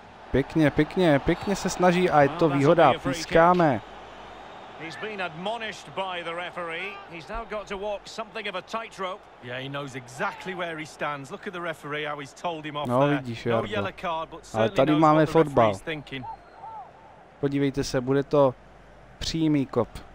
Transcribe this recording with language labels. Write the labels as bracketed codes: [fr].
[cs] Pěkně se snaží a je to výhoda, pískáme. [en] He's been admonished by the referee. He's now got to walk something of a tightrope. Yeah, he knows exactly where he stands. Look at the referee, how he's told him off. [cs] No, vidíš, [en] no yellow card, but certainly [cs] tady [en] knows [cs] máme fotbal. Podívejte se, bude to přímý kop.